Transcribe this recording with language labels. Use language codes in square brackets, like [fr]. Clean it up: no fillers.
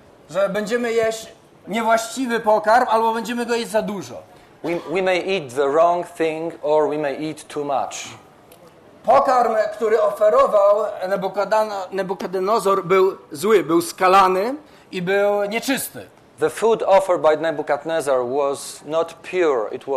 [pl] Że będziemy jeść niewłaściwy pokarm albo będziemy go jeść za dużo. [en] We may eat the wrong thing or we may eat too much. [pl] Pokarm, który oferował Nebukadnezar, był zły, był skalany i był nieczysty. [en] The food offered by Nebuchadnezzar was not pure.